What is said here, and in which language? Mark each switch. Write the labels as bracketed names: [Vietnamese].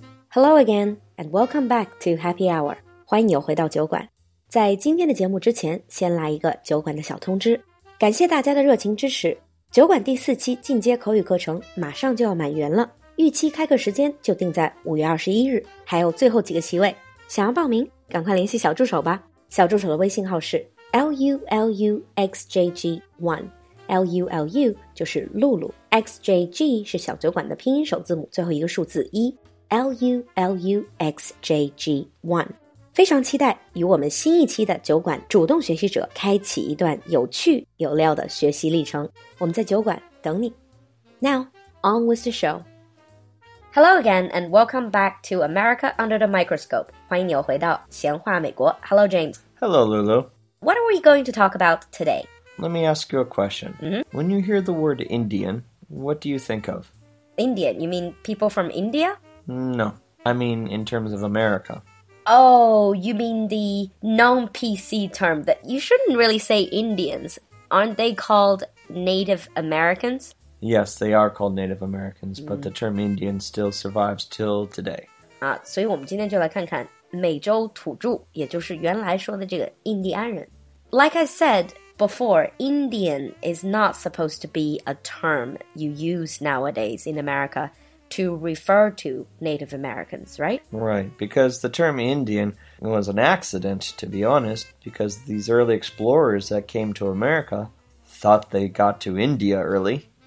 [English] Hello again, and welcome back to Happy Hour. [Chinese] 欢迎你又回到酒馆。在今天的节目之前，先来一个酒馆的小通知。感谢大家的热情支持，酒馆第四期进阶口语课程马上就要满员了，预期开课时间就定在5月21日，还有最后几个席位。想要报名，赶快联系小助手吧。小助手的微信号是 luluxjg1， lulu 就是露露， xjg 是小酒馆的拼音首字母，最后一个数字一。 LULUXJG1， 非常期待与我们新一期的酒馆主动学习者开启一段有趣有料的学习历程。我们在酒馆等你。 [English] Now, on with the show. Hello again, and welcome back to America Under the Microscope. [Chinese] 欢迎你又回到闲话美国。 [English] Hello, James. Hello, Lulu. What are we going to talk about today? Let me ask you a question. When you hear the word Indian, what do you think of? Indian, you mean people from India? No, I mean in terms of America. Oh, you mean the non-PC term that you shouldn't really say Indians. Aren't they called Native Americans? Yes, they are called Native Americans, but the term Indian still survives till today. [Chinese] 所以我们今天就来看看美洲土著，也就是原来说的这个印第安人。 [English] Like I said before, Indian is not supposed to be a term you use nowadays in America. To refer to Native Americans, right? Right, because the term Indian was an accident, to be honest, because these early explorers that came to America thought they got to India early.